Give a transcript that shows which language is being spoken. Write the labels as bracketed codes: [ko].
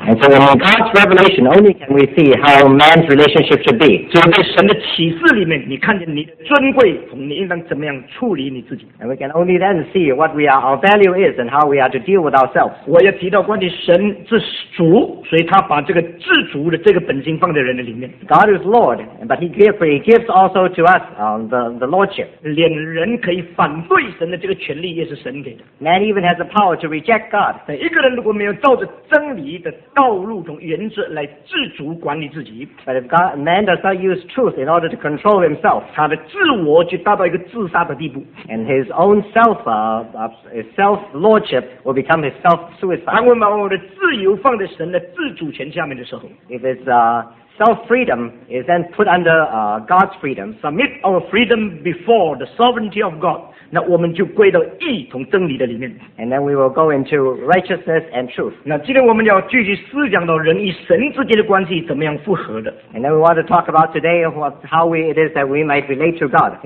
[en] And so in God's revelation, only can we see how man's relationship should be. [zh] 所以在神的启示里面，你看见你的尊贵，你应当怎么样处理你自己。 [en] And we can only then see what we are, our value is, and how we are to deal with ourselves. [zh] 我也提到关于神是主，所以他把这个自主的这个本性放在人的里面。 [en] God is Lord, but He gives also to us, the lordship. [zh] 连人可以反对神的这个权利，也是神给的。 [en] Man even has the power to reject God. [zh] 每一个人如果没有照着真理的道路和原则来自主管理自己 [en] ，But if God, man does not use truth in order to control himself, [zh] 他的自我就达到一个自杀的地步 [en] ，And his own self, self lordship will become his self suicide. [zh] 当我把我的自由放在神的自主权下面的时候 [en] ，If it's self freedom is then put under God's freedom, submit our freedom before the sovereignty of God. [zh] 那我们就归到义同真理的里面。 [en] And then we will go into righteousness and truth. [zh] 那今天我们要继续思想到人与神之间的关系怎么样复合的。 [en] And then we want to talk about today how it is that we might relate to God.